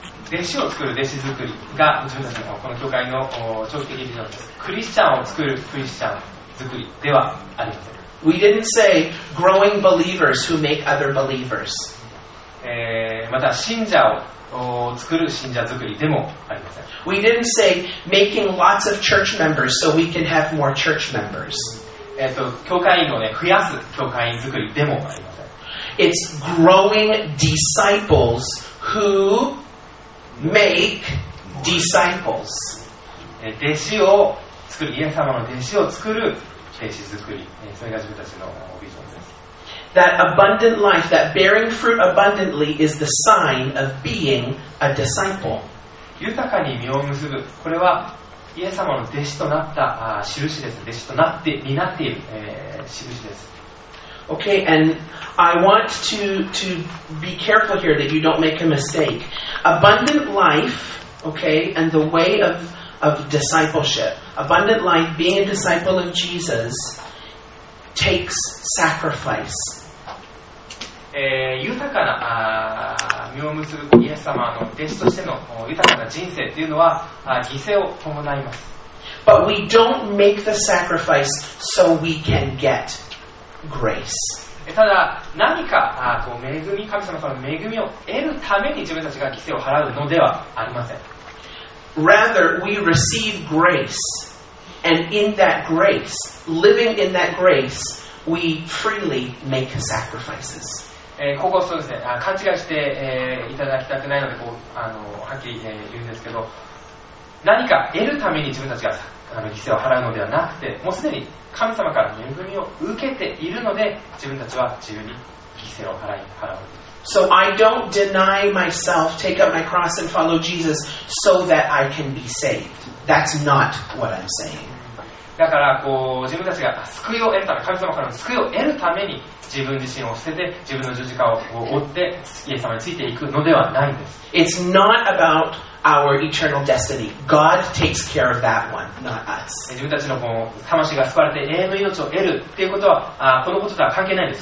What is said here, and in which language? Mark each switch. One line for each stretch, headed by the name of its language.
Japanese: 弟子を作る弟子作りが自分たちのこの教会の長期的ビジョンです。クリスチャンを作るクリスチャン作りではありません。
English: We didn't say growing believers who make other believers.
Japanese: また信者を作る信者作りでもありません。
English: We didn't say making lots of church members so we can have more church members.
Japanese: 教会員を、ね、増やす教会員作りでもありません。
English: It's growing disciples who make disciples.
Japanese: 弟子を作る、イエス様の弟子を作る弟子作り、それが自分たちのビジョンです。
English: That abundant life, that bearing fruit abundantly, is the sign of being a disciple.
Japanese: 豊かに実を結ぶ、これはイエス様の弟子となった印です。弟子となって、になっている印です。
English: Okay, and I want to be careful here that you don't make a mistake. Abundant life, okay, and the way of discipleship. Abundant life, being a disciple of Jesus. Takes sacrifice.
Japanese: 豊かな実を結ぶイエス様の弟子としての豊かな人生というのは犠牲を伴います。
English: But we don't make the sacrifice so we can get grace.
Japanese: ただ何かこう恵み、神様からの恵みを得るために自分たちが犠牲を払うのではありません。
English: Rather, we receive grace. And in that grace, living in that grace, we freely make sacrifices.
Japanese: ここそうですね。勘違いして、いただきたくないので、こうはっきり、言うんですけど、何か得るために自分たちが犠牲を払うのではなくて、もうすでに神様から恵みを受けているので、自分たちは自由に犠牲を払い、払う。
English: So I don't deny myself, take up my cross and follow Jesus so that I can be saved. That's not what I'm saying.
Japanese: だからこう自分たちが救いを得るため、神様からの救いを得るために自分自身を捨てて自分の十字架を追ってイエス様についていくのではないんです。
English: It's not about our eternal destiny. God takes care of that one, not us.
Japanese: 自分たちの魂が救われて永遠の命を得るっていうことはこのこととは関係ないんです。